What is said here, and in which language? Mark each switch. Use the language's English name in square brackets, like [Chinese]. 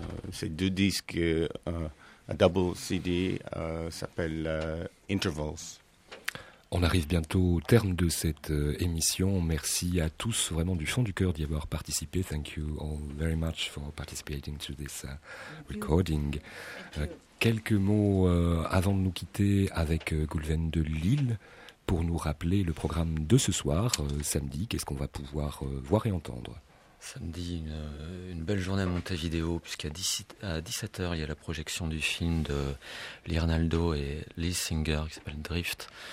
[French] C'est deux disques, un double CD, s'appelle Intervals. On arrive bientôt au terme de cette émission. Merci à tous vraiment du fond du cœur d'y avoir participé. [English] Thank you all very much for participating to this recording. [French] Quelques mots avant de nous quitter avec Goulven de Lille pour nous rappeler le programme de ce soir, samedi. Qu'est-ce qu'on va pouvoir voir et entendre ? Samedi, une belle journée à Montevideo, puisqu'à 17h, il y a la projection du film de Lee Arnaldo et Lee Singer, qui s'appelle Drift.